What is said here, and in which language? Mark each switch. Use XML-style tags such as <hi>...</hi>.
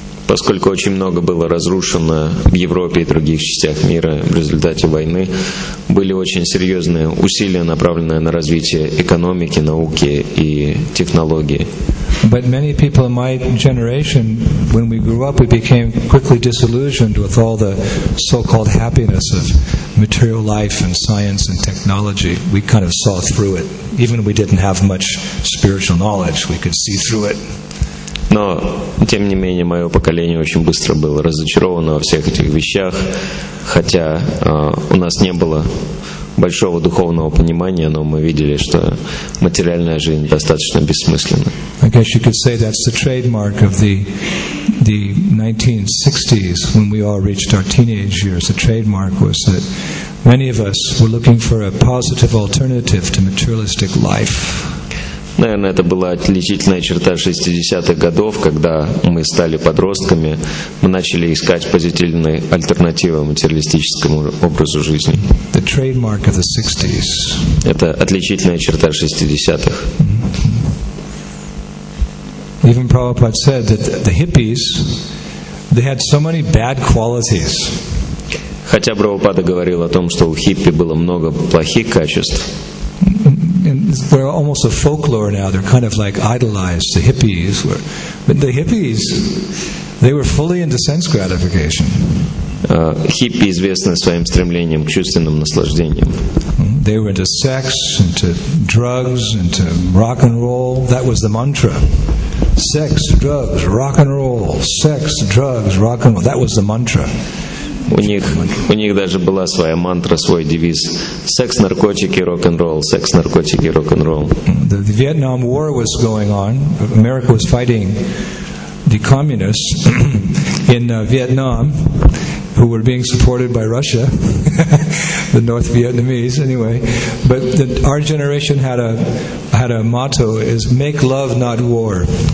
<ru>Поскольку очень много было разрушено в Европе и других частях мира в результате войны, были очень серьезные усилия, направленные на развитие экономики, науки и технологии.</ru> <en>But many people in my generation, when we grew up, we became quickly disillusioned with all the so-called happiness of material life and science and technology. We kind of saw through it. Even if we didn't have much spiritual knowledge, we could see through it.</en> <ru>Но, тем не менее, мое поколение очень быстро было разочаровано во всех этих вещах, хотя у нас не было большого духовного понимания, но мы видели, что материальная жизнь достаточно бессмысленна.</ru> <en>I guess you could say that's the trademark of the 1960s, when we all reached our teenage years. The trademark was that many of us were looking for a positive alternative to materialistic life.</en> <ru>Наверное, это была отличительная черта 60-х годов, когда мы стали подростками, мы начали искать позитивные альтернативы материалистическому образу жизни.</ru> <en>The trademark of the 60s.</en> <ru>Это отличительная черта 60-х. Mm-hmm.</ru> <en>Even Prabhupada said that the hippies, they had so many bad qualities.</en> <ru>Хотя Прабхупада говорил о том, что у хиппи было много плохих качеств.</ru> <en>We're almost a folklore now. They're kind of like idolized, the hippies. But the hippies, they were fully into sense gratification.</en> <ru>Хиппи известны своим стремлением к чувственным наслаждениям.</ru> <en>They were into sex, into drugs, into rock and roll. That was the mantra. Sex, drugs, rock and roll. Sex, drugs, rock and roll. That was the mantra.</en> <ru>У них даже была своя мантра, свой девиз: секс, наркотики, рок-н-ролл, секс, наркотики, рок-н-ролл.</ru> <en>The Vietnam War was going on. America was fighting the communists in Vietnam, who were being supported by Russia. the North Vietnamese anyway, but our generation had a motto is make love, not war.</en>